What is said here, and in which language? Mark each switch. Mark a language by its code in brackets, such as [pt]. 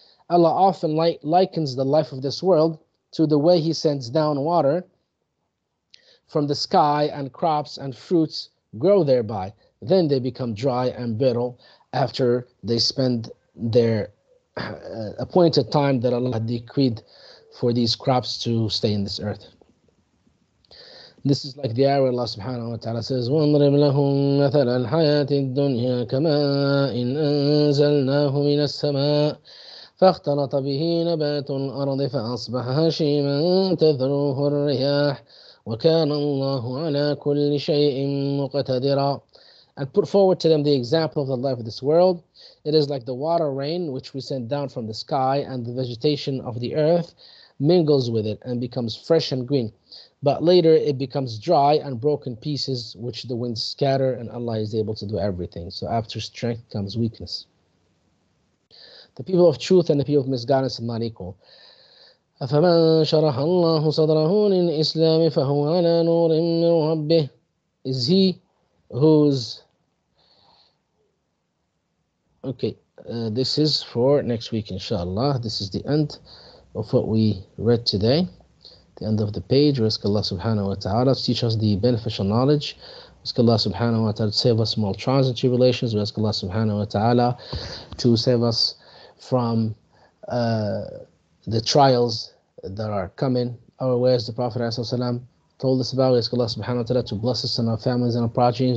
[en] Allah often likens the life of this world to the way He sends down water from the sky, and crops and fruits grow thereby. Then they become dry and brittle after they spend their appointed time that Allah decreed for these crops to stay in this earth. This is like the ayah where Allah subhanahu wa ta'ala says, [ar] وَانْضْرِبْ لَهُمْ مَثَلَ الْحَيَاةِ الدُّنْيَا كَمَاءٍ أَنْزَلْنَاهُ مِنَ السَّمَاءِ فَاخْتَلَطَ بِهِ نَبَاتُ الْأَرْضِ فَأَصْبَحَ هَشِيمًا تَذْرُوهُ الرِّيَاحُ وَكَانَ اللَّهُ عَلَى كُلِّ شَيْءٍ مُقْتَدِرًا. [en] And put forward to them the example of the life of this world. It is like the water rain which we send down from the sky, and the vegetation of the earth mingles with it and becomes fresh and green. But later it becomes dry and broken pieces which the winds scatter, and Allah is able to do everything. So after strength comes weakness. The people of truth and the people of misguidance are not equal. [ar] أَفَمَنْ شَرَحَ اللَّهُ صَدْرَهُ لِلْإِسْلَامِ فَهُوَ عَلَى نُورٍ مِّنْ رَبِّهِ, [en] is he whose... Okay, this is for next week, inshallah. This is the end of what we read today. The end of the page. We ask Allah subhanahu wa ta'ala to teach us the beneficial knowledge Ask Allah subhanahu wa ta'ala to save us from all trials and tribulations. We ask Allah subhanahu wa ta'ala to save us from the trials that are coming our way, as the Prophet told us about. We ask Allah subhanahu wa ta'ala to bless us and our families and our progenies.